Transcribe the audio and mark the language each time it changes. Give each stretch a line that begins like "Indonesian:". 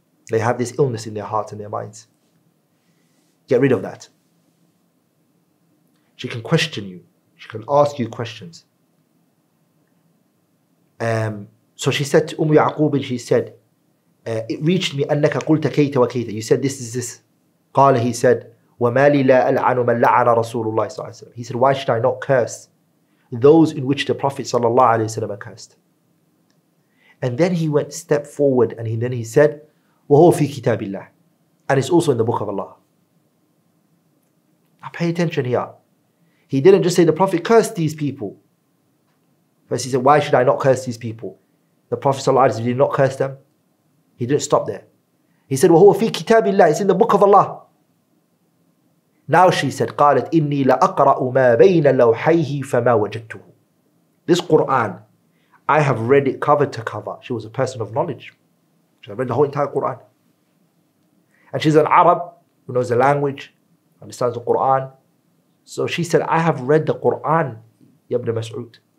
English: They have this illness in their heart and their minds. Get rid of that. She can question you. She can ask you questions. So she said to Ummu Ya'qub, she said, it reached me,
Arabic: أَنَّكَ قُلْتَ كَيْتَ وَكَيْتَ,
English: you said this, this, this.
Arabic: قَالَ,
English: he said,
Arabic: وَمَا لِي لَا أَلْعَنُ مَنْ لَعَنَ رَسُولُ اللَّهِ صَلَّى اللَّهِ عَلَيْهِ وَسَلَّمَ,
English: he said, why should I not curse those in which the Prophet sallallahu alaihi wasallam cursed. And then he went step forward and then he said,
Arabic: وَهُوَ فِي كِتَابِ اللَّهِ,
English: and it's also in the book of Allah. Now pay attention here. He didn't just say the Prophet cursed these people. First he said, why should I not curse these people? The Prophet sallallahu alaihi wasallam did not curse them. He didn't stop there. He said,
Arabic: وَهُوَ فِي كِتَابِ اللَّهِ,
English: it's in the book of Allah. Now she said,
Arabic: قَالَتْ إِنِّي لَأَقْرَأُ مَا بَيْنَ لَوْحَيْهِ فَمَا وَجَدْتُهُ.
English: This Qur'an, I have read it cover to cover. She was a person of knowledge. She had read the whole entire Qur'an. And she's an Arab who knows the language, understands the Qur'an. So she said, I have read the Qur'an, Ibn Mas'ud.